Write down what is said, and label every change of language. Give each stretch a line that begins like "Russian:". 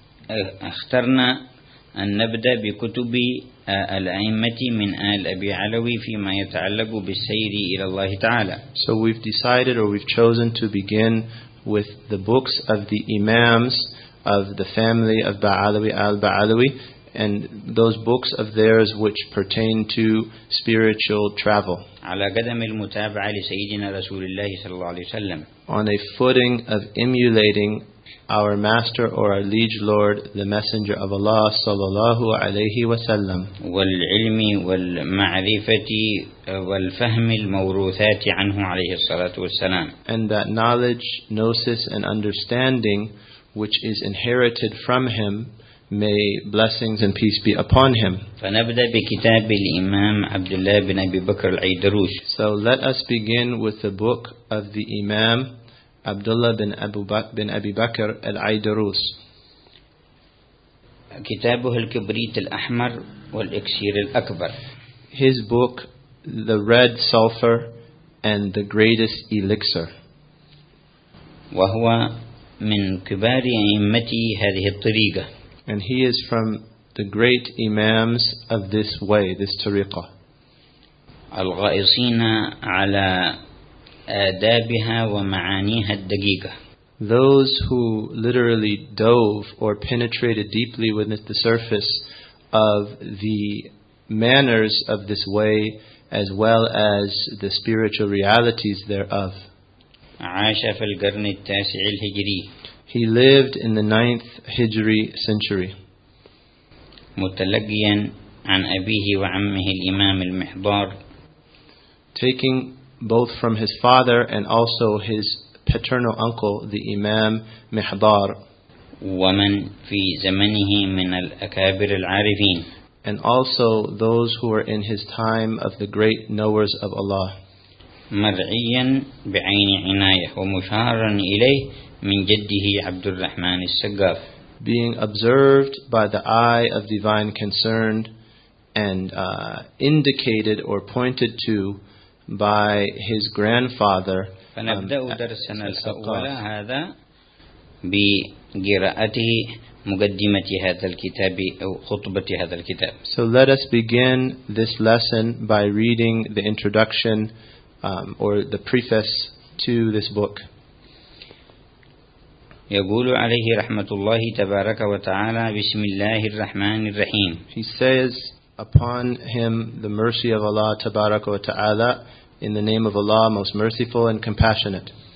Arabic: واخترنا أن نبدأ بكتب الأئمة من آل أبي علوي فيما يتعلق بالسير إلى الله تعالى.
English: So we've decided or we've chosen to begin with the books of the Imams of the family of Ba'alawi al-Ba'alawi, and those books of theirs which pertain to spiritual travel.
Arabic: على قدم المتابعة لسيدنا رسول الله صلى الله عليه وسلم.
English: On a footing of emulating our master or our liege lord, the messenger of Allah
Arabic: sallallahu alayhi wa sallam. والعلم والمعرفة والفهم الموروثات عنه عليه الصلاة والسلام.
English: And that knowledge, gnosis and understanding which is inherited from him, may blessings and peace be upon him.
Arabic: فنبدأ بكتاب الإمام عبد الله بن أبي بكر العيدروس.
English: So let us begin with the book of the Imam Abdullah bin Abu Bakr bin Abi Bakr al-Aydarus.
Arabic: كتابه الكبريت الأحمر والإكسير الأكبر.
English: His book, The Red Sulfur and the Greatest Elixir.
Arabic: وهو من كبار أئمة هذه الطريقة.
English: And he is from the great imams of this way, this tariqah.
Arabic: الغائصين على آدابها ومعانيها الدقيقة.
English: Those who literally dove or penetrated deeply within the surface of the manners of this way as well as the spiritual realities thereof.
Arabic: عاش في القرن التاسع الهجري.
English: He lived in the 9th Hijri century.
Arabic: متلقيا عن أبيه وعمه الإمام المحضار.
English: Taking both from his father and also his paternal uncle, the Imam Mihdar.
Arabic: ومن في زمنه من الأكابر العارفين.
English: And also those who were in his time of the great knowers of Allah.
Arabic: مرعيا بعين عناية ومشارا إليه من جده عبد الرحمن السقاف.
English: Being observed by the eye of divine concern and indicated or pointed to by his grandfather.
Arabic: فنبدأ درسنا الأول هذا قراءته مقدمة هذا الكتاب أو خطبة هذا الكتاب.
English: So let us begin this lesson by reading the introduction or the preface to this book.
Arabic: يقول عليه رحمة الله تبارك وتعالى بسم الله الرحمن الرحيم.
English: He says upon him the mercy of Allah
Arabic: تبارك وتعالى
English: in the name of Allah most merciful and compassionate.